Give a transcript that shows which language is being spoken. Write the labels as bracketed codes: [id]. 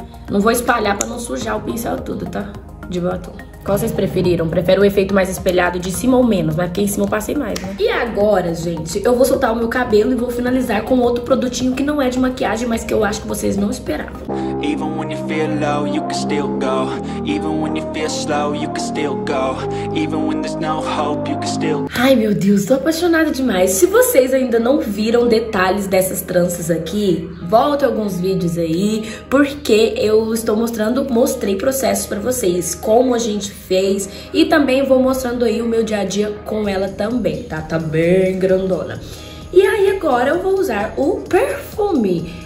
[pt] Não vou espalhar pra não sujar o pincel tudo, tá? De batom. Qual vocês preferiram? Prefere o efeito mais espelhado de cima ou menos? Mas porque em cima eu passei mais, né? E agora, gente, eu vou soltar o meu cabelo e vou finalizar com outro produtinho que não é de maquiagem, mas que eu acho que vocês não esperavam. [en] Even when you feel low, you can still go. Even when you feel slow, you can still go. Even when there's no hope, you can still... [pt] Ai, meu Deus, tô apaixonada demais. Se vocês ainda não viram detalhes dessas tranças aqui, volta alguns vídeos aí, porque eu estou mostrando, mostrei processos pra vocês, como a gente fez, e também vou mostrando aí o meu dia a dia com ela também, tá? Tá bem grandona. E aí agora eu vou usar o perfume.